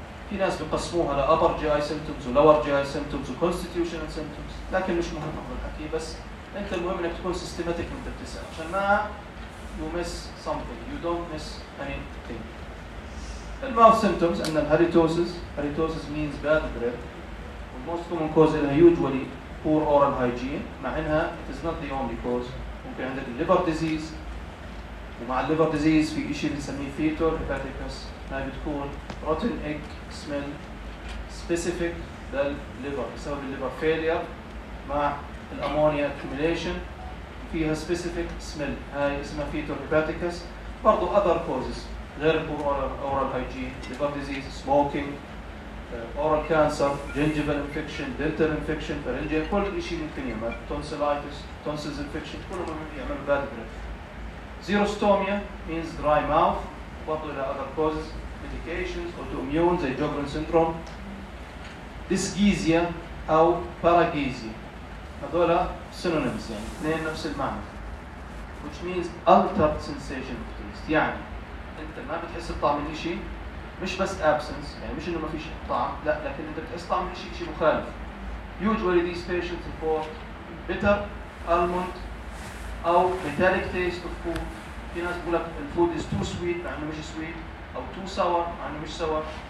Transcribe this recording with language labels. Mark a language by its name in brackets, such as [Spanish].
[Arabic] في ناس بقسموها على [English] upper GI symptoms و lower GI symptoms و constitutional symptoms. [Arabic] لكن مش مهم هذا الحكي. بس أنت المهم إنك تكون systematic من تبتسم. عشان ما [English] you miss something. You don't miss anything. The mouth symptoms and then halitosis. Halitosis means bad breath. The most common cause is usually poor oral hygiene. [Arabic] مع إنها [English] it is not the only cause. ممكن عندك الليفر ديزيز ومع الليفر ديزيز في شيء نسميه فيتور هيباتيكس هاي بتكون روتن ايج سميل سبيسيفيك للليفر بسبب الليفر فيلير مع الامونيا اكوميليشن فيها سبيسيفيك سميل هاي اسمها فيتور هيباتيكس برضو اذر كوزز غير اورال هايجين ليفر ديزيز سموكينج اورال كانسر جنجيفال انفكشن دنتال انفكشن فرنجيا كل شيء ممكن يعمل تونسيلايتس tonsils infection كلهم يعمل bad breath. Xerostomia means dry mouth. [Arabic] برضو إلى [English] other causes medications autoimmune زي Sjögren syndrome. Dysgeusia أو paragesia. [Arabic] هذولا synonyms يعني اثنين نفس المعنى. [English] Which means altered sensation of taste. [Arabic] يعني أنت ما بتحس الطعم من إشي مش بس absence يعني مش إنه ما فيش طعم لا لكن أنت بتحس طعم من إشي مخالف. [English] Usually these patients report bitter almond أو metallic taste of food [Arabic] في ناس بقولك [English] the food is too sweet معنى مش sweet أو too sour معنى مش sour